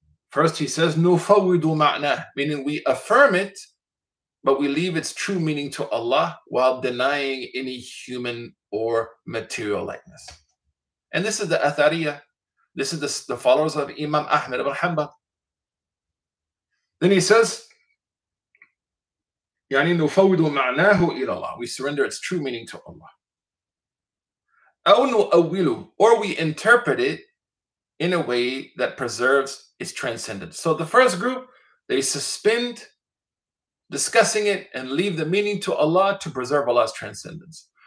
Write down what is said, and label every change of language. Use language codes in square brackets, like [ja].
[en] First, he says, [ar] نُفَوِّدُ مَعْنَى, [en] meaning we affirm it, but we leave its true meaning to Allah while denying any human or material likeness. And this is the Athariyah. This is the followers of Imam Ahmed ibn Hanbal. Then he says, [ar] يعني نفوض معناه إلى الله. [en] We surrender its true meaning to Allah. [ar] أو نؤوله, [en] or we interpret it in a way that preserves its transcendence. So the first group, they suspend discussing it and leave the meaning to Allah to preserve Allah's transcendence.